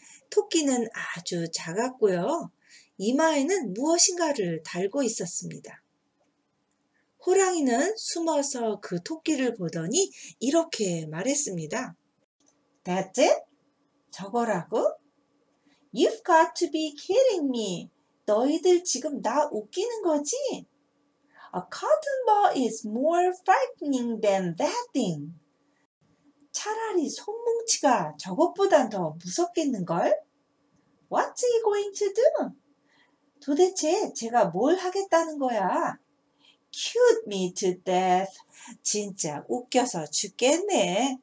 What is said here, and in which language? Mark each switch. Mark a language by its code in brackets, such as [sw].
[ko] 토끼는 아주 작았고요. 이마에는 무엇인가를 달고 있었습니다. 호랑이는 숨어서 그 토끼를 보더니 이렇게 말했습니다. [en] That's it? [ko] 저거라고? [en] You've got to be kidding me. [ko] 너희들 지금 나 웃기는 거지? [en] A cotton ball is more frightening than that thing. [ko] 차라리 손뭉치가 저것보단 더 무섭겠는걸? [en] What's he going to do? [ko] 도대체 제가 뭘 하겠다는 거야? [en] Cute me to death. [ko] 진짜 웃겨서 죽겠네.